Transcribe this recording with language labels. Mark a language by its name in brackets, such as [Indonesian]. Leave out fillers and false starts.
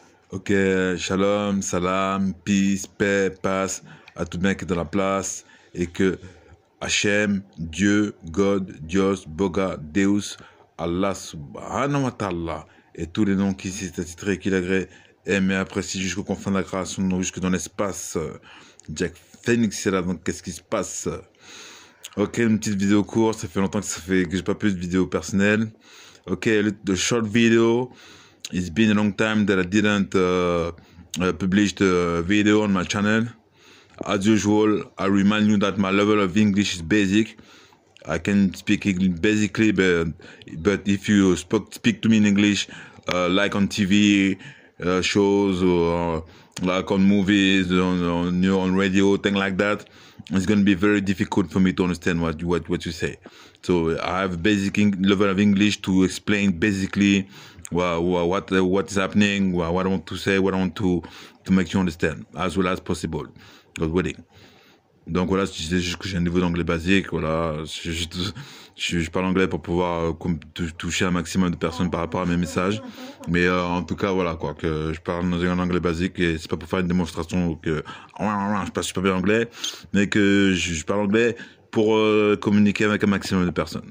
[French] Ok, shalom, salam, peace, paix, passe à tout bien qui est dans la place et que Hachem, Dieu, God, Dios, Boga, Deus, Allah, Subhanahu wa Ta'ala et tous les noms qui s'y sont attitrés, qui l'agréent, aiment et apprécient jusqu'au confins de la création, jusque dans l'espace. Djeckphenix est là, donc qu'est-ce qui se passe? Ok, une petite vidéo courte, ça fait longtemps que ça fait que j'ai pas plus de vidéos personnelles. [English] Ok, the short video. It's been a long time that I didn't publish the video on my channel. As usual, I remind you that my level of English is basic. I can speak English basically, but if you speak to me in English, like on TV shows or like on movies, on radio, things like that, it's going to be very difficult for me to understand what you say. So I have basic level of English to explain basically. What is happening? What I want to say? What I want to make you understand as well as possible, God willing. [French] Donc voilà, c'est juste que j'ai un niveau d'anglais basique. Voilà, je parle anglais pour pouvoir toucher un maximum de personnes par rapport à mes messages. Mais en tout cas, voilà quoi, que je parle dans un anglais basique et c'est pas pour faire une démonstration que je parle super bien anglais, mais que je parle anglais pour communiquer avec un maximum de personnes.